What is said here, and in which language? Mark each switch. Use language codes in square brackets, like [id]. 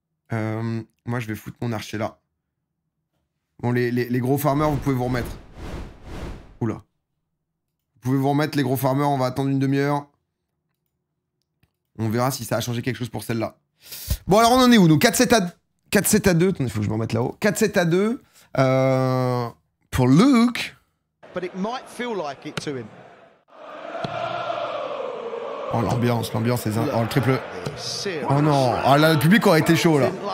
[fr] Moi, je vais foutre mon archer là. Bon, les gros farmers, vous pouvez vous remettre. Oula. Vous pouvez vous remettre, les gros farmers, on va attendre une demi-heure. On verra si ça a changé quelque chose pour celle-là. Bon, alors on en est où, nous? 4-7 à 2. Attendez, il faut que je me remette là-haut. 4-7 à 2. Pour Luke. [en] But it might feel like it to him. [fr] Oh, l'ambiance est... Oh, le triple... Oh non, oh, là, le public aurait été chaud, là.